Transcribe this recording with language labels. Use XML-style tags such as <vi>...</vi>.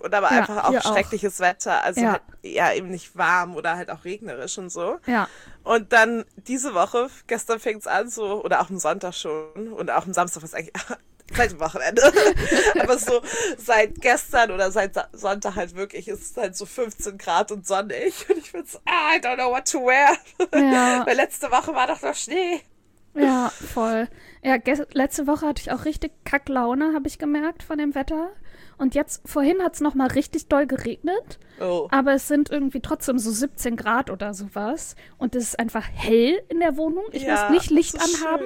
<de>Und aber einfach auch schreckliches Wetter. Also halt eher eben nicht warm oder halt auch regnerisch und so. Ja. Und dann diese Woche, gestern fängt es an so, oder auch am Sonntag schon. Und auch am Samstag, was eigentlich... Vielleicht am Wochenende. Aber so seit gestern oder seit Sonntag halt wirklich ist es halt so 15 Grad und sonnig. Und ich bin so,</de> <en>I don't know what to wear.</en> <de>Ja. Weil letzte Woche war doch noch Schnee. Ja, voll. Ja, letzte Woche hatte ich auch richtig Kacklaune, habe ich gemerkt, von dem Wetter. Und jetzt, vorhin hat es nochmal richtig doll geregnet. Oh. Aber es sind irgendwie trotzdem so 17 Grad oder sowas. Und es ist einfach hell in der Wohnung. Ich muss nicht Licht anhaben.</de>